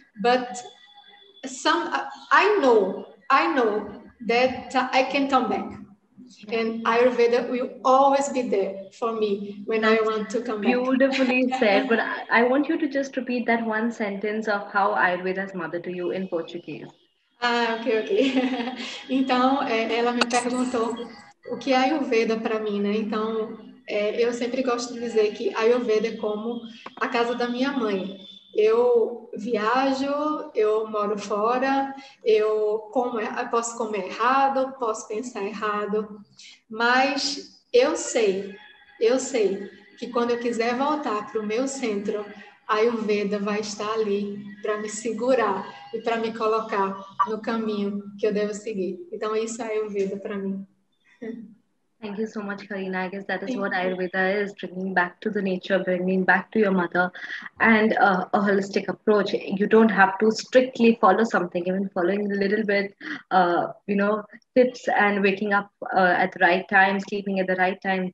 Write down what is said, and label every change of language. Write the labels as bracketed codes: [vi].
[en] But some I know that I can come back, and Ayurveda will always be there for me when I want to come back. Beautifully said, but I want you to just repeat that one sentence of how Ayurveda's mother to you in Portuguese. Ok. [pt] Então, ela me perguntou o que é Ayurveda para mim, né? Então, eu sempre gosto de dizer que Ayurveda é como a casa da minha mãe. Eu viajo, eu moro fora, eu posso comer errado, posso pensar errado, mas eu sei que quando eu quiser voltar para o meu centro, Ayurveda vai estar ali para me segurar e para me colocar no caminho que eu devo seguir. Então, isso é Ayurveda para mim. [en] Thank you so much, Karina. I guess that is what Ayurveda is, bringing back to the nature, bringing back to your mother, and a holistic approach. You don't have to strictly follow something, even following a little bit, tips and waking up at the right time, sleeping at the right time.